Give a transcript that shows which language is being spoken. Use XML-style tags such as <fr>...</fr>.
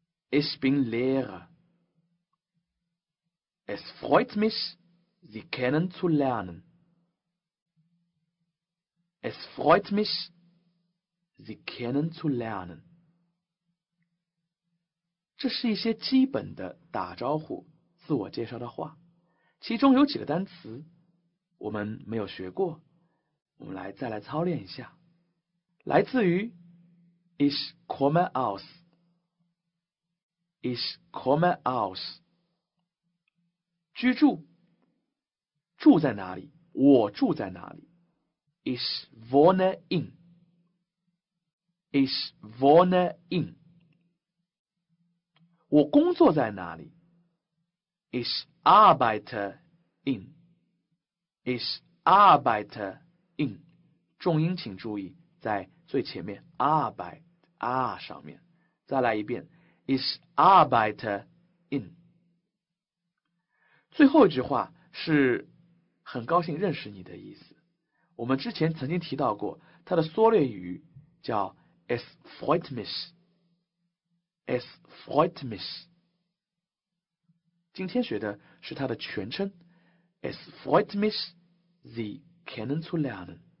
<de>Ich bin Lehrer. Es freut mich, Sie kennenzulernen. Es freut mich, Sie kennenzulernen.</de> <zh>这是一些基本的打招呼。自我介绍的话，其中有几个单词我们没有学过，我们来再来操练一下。来自于</zh> <de>"Ich komme aus", "Ich komme aus"，</de> <zh>居住，住在哪里？我住在哪里？</zh> <de>"Ich wohne in", "Ich wohne in"，</de> <zh>我工作在哪里？</zh> <de>Ich arbeite in. Ich arbeite in.</de> <zh>重音请注意在最前面 arbeit 上面。再来一遍 ，</zh> <de>Ich arbeite in.</de> <zh>最后一句话是很高兴认识你的意思。我们之前曾经提到过，它的缩略语叫</zh> <de>Es freut mich. Es freut mich.</de> <zh>今天学的是它的全称，</zh> <de>Es freut mich, Sie kennenzulernen。</de>